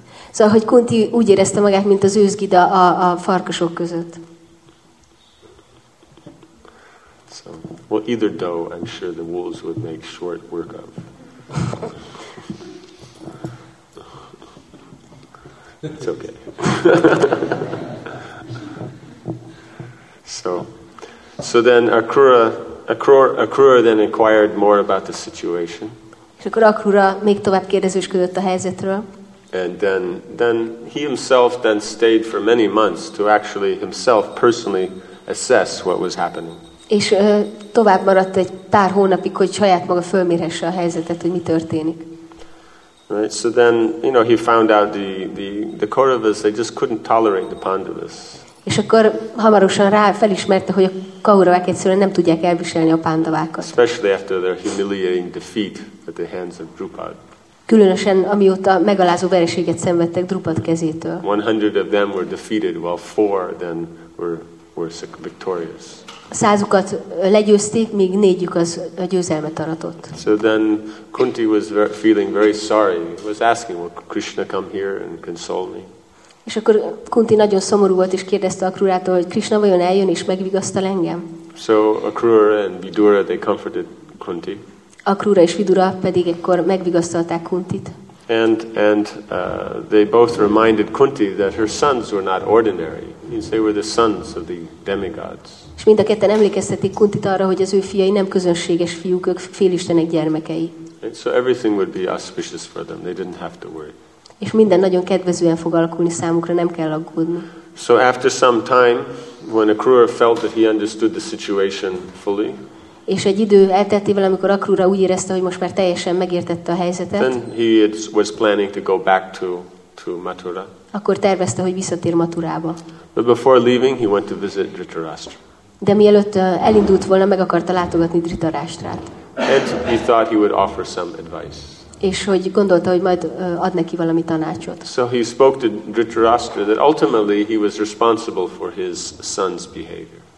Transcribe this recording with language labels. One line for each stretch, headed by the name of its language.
Hungarian: Szóval, hogy Kunti úgy érezte magát, mint az őzgida a farkasok között.
English: So, well, either doe, I'm sure the wolves would make short work of. It's okay. So then Akrura then inquired more about the situation.
Hungarian: És akkor Akrura még tovább kérdezősködött a helyzetről.
English: And then he himself then stayed for many months to actually himself personally assess what was happening.
Hungarian: És tovább maradt egy pár hónapig, hogy saját maga fölmérhesse a helyzetet, hogy mi történik.
English: Right, so then, you know, he found out the Kauravas, they just couldn't tolerate the Pandavas.
Hungarian: És akkor hamarosan rá felismerte, hogy a Kauravák egyszerűen nem tudják elviselni a Pandavákat.
English: Especially after their humiliating defeat at the hands of Drupad.
Hungarian: Különösen amióta megalázó vereséget szenvedtek Drupad kezétől.
English: 100 of them were defeated while 4 then were victorious.
Hungarian: Százukat legyőzték, míg négyük az a győzelmet aratott.
English: So then Kunti was feeling very sorry. He was asking, "Will Krishna come here and console me?"
Hungarian: És akkor Kunti nagyon szomorú volt és kérdezte Akrurától, hogy Krishna vajon eljön és megvigasztal engem?
English: So Akrura and Vidura they comforted Kunti.
Hungarian: Akrura és Vidura pedig ekkor megvigasztalták Kuntit.
English: And they both reminded Kunti that her sons were not ordinary. It means they were the sons of the demigods.
Hungarian: És mind a ketten emlékeztetik Kuntit arra, hogy az ő fiai nem közönséges fiúk, ők félistenek gyermekei.
English: And so everything would be auspicious for them. They didn't have to worry.
Hungarian: És minden nagyon kedvezően fog alakulni számukra, nem kell aggódni.
English: So after some time, when Akrura felt that he understood the situation fully,
Hungarian: és egy idő elteltével, amikor Akrura úgy érezte, hogy most már teljesen megértette a helyzetet,
English: then he was planning to go back to Mathura.
Hungarian: Akkor tervezte, hogy visszatér Mathurába.
English: But before leaving, he went to visit Dhritarashtra.
Hungarian: De mielőtt elindult volna, meg akarta látogatni Dhritarashtrát.
English: And he thought he would offer some advice.
Hungarian: És hogy gondolta, hogy majd ad neki valami tanácsot.
English: So he spoke to Dhritarashtra that ultimately he was responsible for his son's behavior.